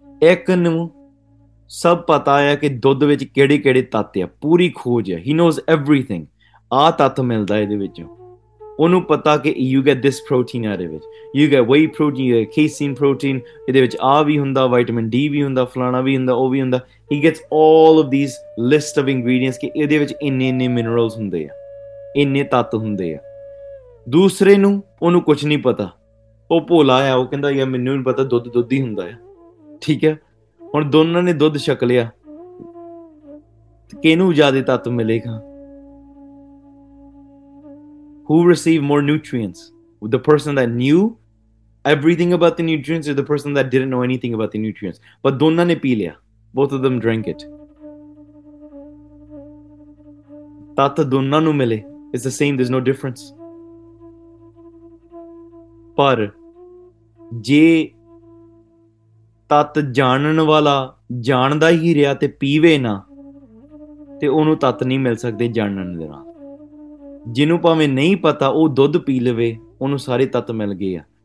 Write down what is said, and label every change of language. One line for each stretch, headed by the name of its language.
Punjabi: ਇੱਕ ਨੂੰ ਸਭ ਪਤਾ ਆ ਕਿ ਦੁੱਧ ਵਿੱਚ ਕਿਹੜੇ ਕਿਹੜੇ ਤੱਤ ਆ, ਪੂਰੀ ਖੋਜ ਆ,
English: he knows everything,
Punjabi: ਆਹ ਤੱਤ ਮਿਲਦਾ ਇਹਦੇ ਵਿੱਚੋਂ, ਉਹਨੂੰ ਪਤਾ ਕਿ
English: you get this protein
Punjabi: ਆ ਇਹਦੇ ਵਿੱਚ,
English: you get whey protein, you get casein protein,
Punjabi: ਇਹਦੇ ਵਿੱਚ ਆਹ ਵੀ ਹੁੰਦਾ, ਵਾਈਟਮਿਨ ਡੀ ਵੀ ਹੁੰਦਾ, ਫਲਾਣਾ ਵੀ ਹੁੰਦਾ, ਉਹ ਵੀ ਹੁੰਦਾ,
English: he gets all of these list of ingredients
Punjabi: ਕਿ ਇਹਦੇ ਵਿੱਚ ਇੰਨੇ ਇੰਨੇ ਮਿਨਰਲਸ ਹੁੰਦੇ ਆ, ਇੰਨੇ ਤੱਤ ਹੁੰਦੇ ਆ। ਦੂਸਰੇ ਨੂੰ ਉਹਨੂੰ ਕੁਛ ਨਹੀਂ ਪਤਾ, ਉਹ ਭੋਲਾ ਆ, ਉਹ ਕਹਿੰਦਾ ਯਾਰ ਮੈਨੂੰ ਨਹੀਂ ਪਤਾ, ਦੁੱਧ ਦੁੱਧ ਹੀ ਹੁੰਦਾ ਆ, ਠੀਕ ਹੈ। ਹੁਣ ਦੋਨਾਂ ਨੇ ਦੁੱਧ ਛਕ ਲਿਆ, ਕਿਹਨੂੰ ਜ਼ਿਆਦਾ ਤੱਤ ਮਿਲੇਗਾ?
English: Who received more nutrients? The person that knew everything about the nutrients or the person that didn't know anything about the nutrients? But
Punjabi: donna ne pee liya.
English: Both of them drank it.
Punjabi: Tat donna nu mile.
English: It's the same. There's no difference.
Punjabi: ਪਰ ਜੇ ਤੱਤ ਜਾਣਨ ਵਾਲਾ ਜਾਣਦਾ ਹੀ ਰਿਹਾ ਤੇ ਪੀਵੇ ਨਾ, ਤੇ ਉਹਨੂੰ ਤੱਤ ਨਹੀਂ ਮਿਲ ਸਕਦੇ ਜਾਣਨ ਦੇ ਨਾਲ। ਜਿਹਨੂੰ ਭਾਵੇਂ ਨਹੀਂ ਪਤਾ ਉਹ ਦੁੱਧ ਪੀ ਲਵੇ, ਉਹਨੂੰ ਸਾਰੇ ਤੱਤ ਮਿਲ ਗਏ ਆ।